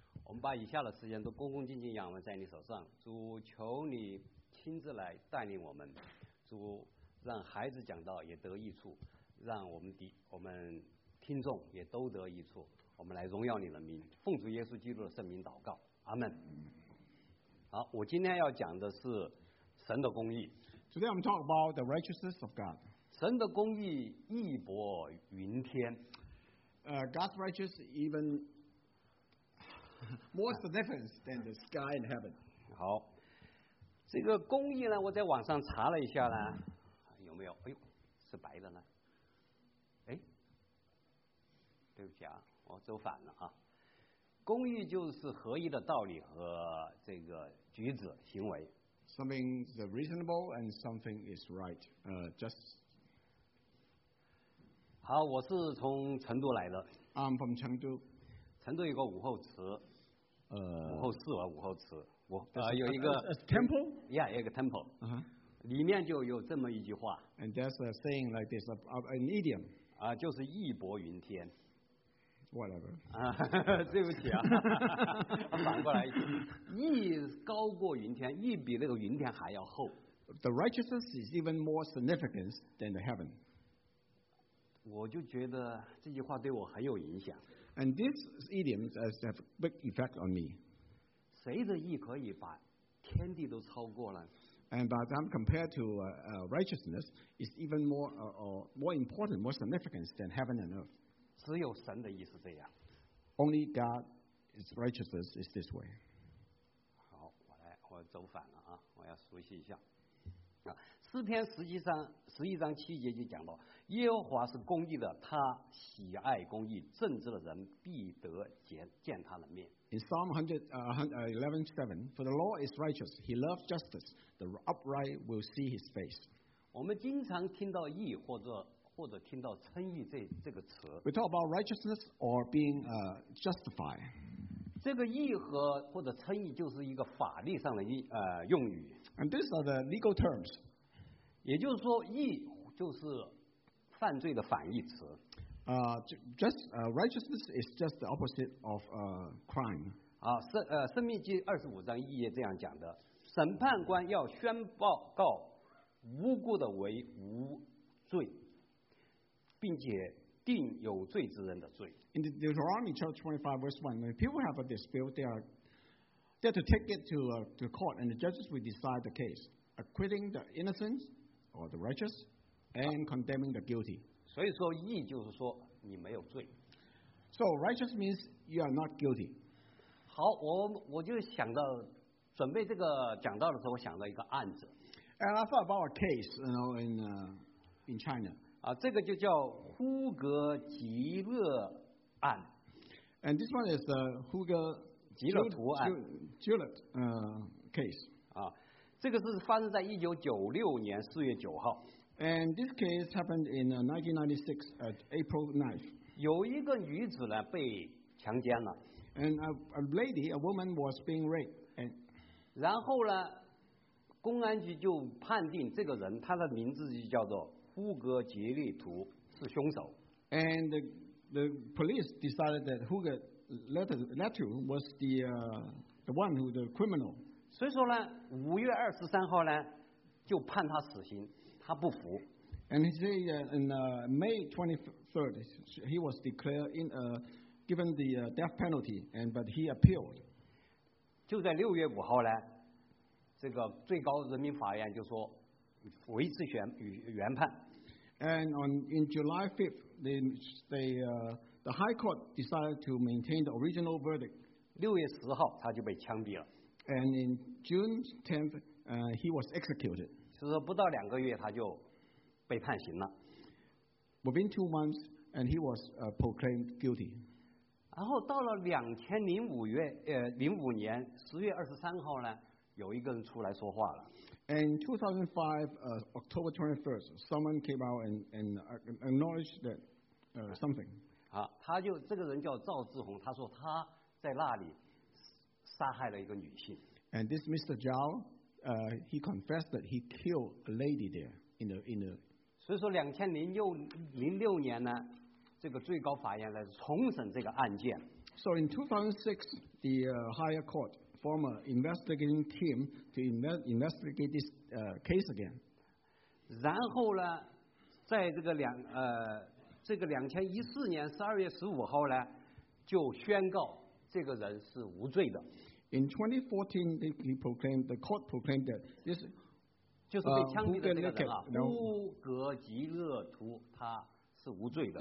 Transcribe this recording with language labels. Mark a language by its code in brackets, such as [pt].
[zh] 我们把以下的时间都恭恭敬敬仰望在你手上，主求你亲自来带领我们，主让孩子讲道也得益处，让我们听众也都得益处，我们来荣耀你的名，奉主耶稣基督的圣名祷告，阿们。好，我今天要讲的是神的公义。 [en] Today I'm talking about the righteousness of God. [zh] 神的公义义薄云天。 [en] God's righteousness even more significant than the sky and heaven. [zh] 好，这个公义呢，我在网上查了一下呢，有没有？哎呦，是白的呢。哎，对不起啊，我走反了啊。公义就是合一的道理和这个举止行为。 [en] Something is reasonable and something is right. Just. [zh] 好，我是从成都来的。 [en] I'm from Chengdu. [zh] 成都有个武侯祠。武侯祠啊，武侯祠。我有一个 [en] a temple, yeah, [zh] 有一个 [en] temple,、 uh-huh. [zh] 里面就有这么一句话 [en] ，and there's a saying like this, an idiom, [zh] 啊，就是义薄云天 [en] ，whatever, [zh] 啊，对不起啊，反过来，义高过云天，义比那个云天还要厚 [en] ，the righteousness is even more significant than the heaven, [zh] 我就觉得这句话对我很有影响 [en] ，and this idiom has a big effect on me. [zh] 谁的义可以把天地都超过了 [en] ？And by them compared to righteousness is even more more important, more significant than heaven and earth. [zh] 只有神的义是这样。 [en] Only God's righteousness is this way. [zh] 好，我走反了啊！我要熟悉一下。啊，诗篇十一章七节就讲到，耶和华是公义的，他喜爱公义，正直的人必得见他的面。 [en] In Psalm 111:7, for the law is righteous, he loves justice, the upright will see his face. [zh] 我们经常听到义或者听到称义这个词。 [en] We talk about righteousness or being justified. [zh] 这个义和或者称义就是一个法律上的义用语。 [en] And these are the legal terms. [zh] 也就是说，义就是犯罪的反义词。 [en] Righteousness is just the opposite of crime. [zh] 生命记25:1这样讲的，审判官要宣报告无辜的为无罪，并且定有罪之人的罪。 [en] In the Deuteronomy chapter 25:1, when people have a dispute, they are to take it to court, and the judges will decide the case, acquitting the innocent or the righteous, and condemning the guilty. [zh] 所以说义就是说你没有罪。 [en] So righteous means you are not guilty. [zh] 好，我就想到准备这个讲道的时候，我想到一个案子。 [en] And I thought about a case, you know, in China. [zh] 啊，这个就叫呼格吉勒案。 [en] And this one is the 呼格 [zh] 吉勒图案 [en] Gillette case. [zh] 啊，这个是发生在1996年4月9号。 [en] And this case happened in 1996 at April 9th. [zh] 有一个女子呢被强奸了。 [en] And a woman was being raped. And [zh] 然后呢，公安局就判定这个人，他的名字就叫做呼格吉利图，是凶手。 [en] And the police decided that Hugo Letu was the one who the criminal. [zh] 所以说呢，5月23号呢就判他死刑。他不服。 [en] And he said in May 23rd, he was declared in given the death penalty, and but he appealed. [zh] 就在6月5号呢，这个最高人民法院就说维持原判。 [en] And in July 5th, the High Court decided to maintain the original verdict. [zh] 6月10号他就被枪毙了。 [en] And in June 10th, he was executed. [zh] 就是不到两个月他就被判刑了。 [en] Within 2 months, and he was proclaimed guilty. [zh] 然后到了2005年10月23号呢，有一个人出来说话了。 [en] In 2005, October 21st, someone came out and acknowledged that something. [zh] 好，他就这个人叫赵志宏，他说他在那里杀害了一个女性。 [en] And this Mr. Zhao, he confessed that he killed a lady there in the. [zh] 所以说，2006年呢，这个最高法院来重审这个案件。 [en] So in 2006, the higher court formed an investigating team to investigate this case again. [zh] 然后呢，在这个2014年12月15号呢，就宣告这个人是无罪的。 [en] In 2014, the court proclaimed that this [zh] 就是被枪毙的那个人啊，乌格吉勒图他是无罪的。